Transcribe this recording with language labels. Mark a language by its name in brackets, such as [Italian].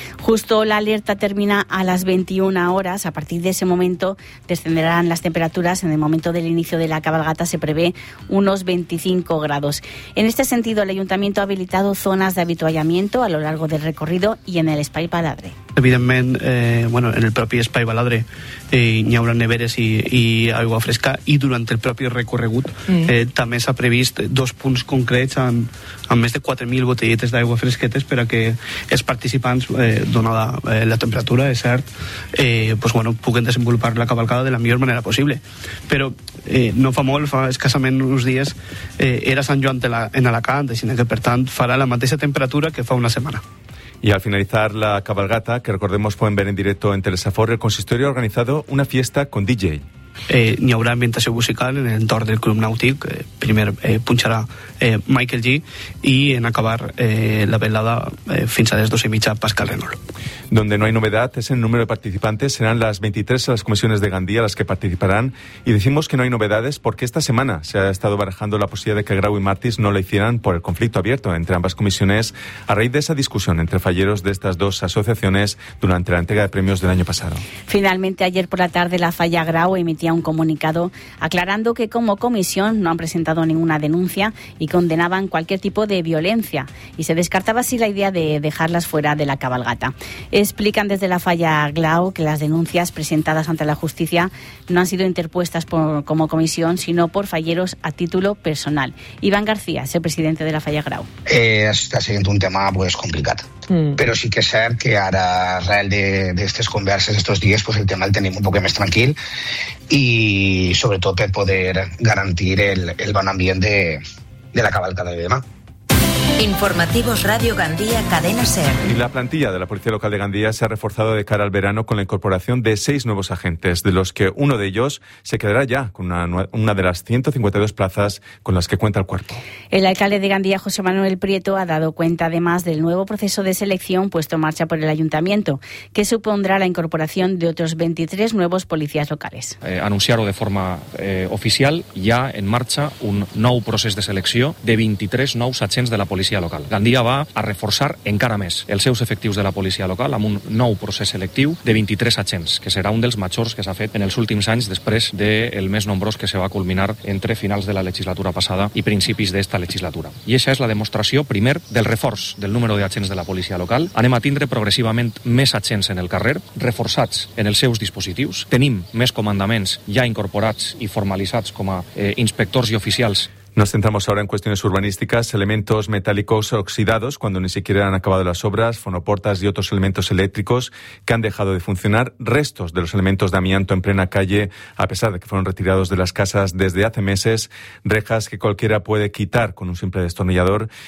[Spanish] Justo la alerta termina a las 21 horas. A partir de ese momento descenderán las temperaturas. En el momento del inicio de la cabalgata se prevé unos 25 grados. En este sentido, el ayuntamiento ha habilitado zonas de avituallamiento a lo largo del recorrido y en el Espai Baladre. [Catalan] Evidentment, en el propi Espai Baladre hi haurà neveres i aigua fresca, i durant el propi recorregut també s'ha previst dos punts concrets amb més de 4.000 botelletes d'aigua fresquetes per a que els participants, donada la temperatura, és cert, puguen desenvolupar la cavalcada de la millor manera possible. Però no fa molt, fa escassament uns dies, era Sant Joan en Alacant, així que per tant farà la mateixa temperatura que fa una setmana. [Spanish] Y al finalizar la cabalgata, que recordemos pueden ver en directo en Telesafor, el consistorio ha organizado una fiesta con DJ. [Catalan] Hi haurà ambientació musical en l'entorn del Club Nàutic. Primer punxarà Michael G i en acabar la velada fins a les 12:30 Pascal Renault. [Spanish] Donde no hay novedad es en el número de participantes. Serán las 23 las comisiones de Gandía las que participarán. Y decimos que no hay novedades porque esta semana se ha estado barajando la posibilidad de que Grau y Martis no lo hicieran por el conflicto abierto entre ambas comisiones a raíz de esa discusión entre falleros de estas dos asociaciones durante la entrega de premios del año pasado. Finalmente, ayer por la tarde, la falla Grau emitía un comunicado aclarando que como comisión no han presentado ninguna denuncia y condenaban cualquier tipo de violencia. Y se descartaba así la idea de dejarlas fuera de la cabalgata. Explican desde la falla Glau que las denuncias presentadas ante la justicia no han sido interpuestas como comisión, sino por falleros a título personal. Iván García es el presidente de la falla Glau. Está siendo un tema pues complicado. [Catalan] Però sí que és cert que ara, arrel d'aquestes converses, aquests dies, pues el tema el tenim un poc més tranquil, i sobretot per poder garantir el bon ambient de la cabalgada de demà. [Spanish] Informativos Radio Gandía, Cadena SER. Y la plantilla de la Policía Local de Gandía se ha reforzado de cara al verano con la incorporación de 6 nuevos agentes, de los que uno de ellos se quedará ya con una de las 152 plazas con las que cuenta el cuerpo. El alcalde de Gandía, José Manuel Prieto, ha dado cuenta además del nuevo proceso de selección puesto en marcha por el ayuntamiento, que supondrá la incorporación de otros 23 nuevos policías locales. [Catalan] Anunciar-ho de forma oficial, ya en marcha un nou procés de selecció de 23 nous agents de la policia local. Gandia va a reforçar encara més els seus efectius de la policia local amb un nou procés selectiu de 23 agents, que serà un dels majors que s'ha fet en els últims anys després del més nombrós que se va culminar entre finals de la legislatura passada i principis d'esta legislatura. I això és la demostració, primer, del reforç del número d'agents de la policia local. Anem a tindre progressivament més agents en el carrer, reforçats en els seus dispositius. Tenim més comandaments ja incorporats i formalitzats com a inspectors i oficials. [Spanish] Nos centramos ahora en cuestiones urbanísticas, elementos metálicos oxidados cuando ni siquiera han acabado las obras, fonoportas y otros elementos eléctricos que han dejado de funcionar, restos de los elementos de amianto en plena calle, a pesar de que fueron retirados de las casas desde hace meses, rejas que cualquiera puede quitar con un simple destornillador.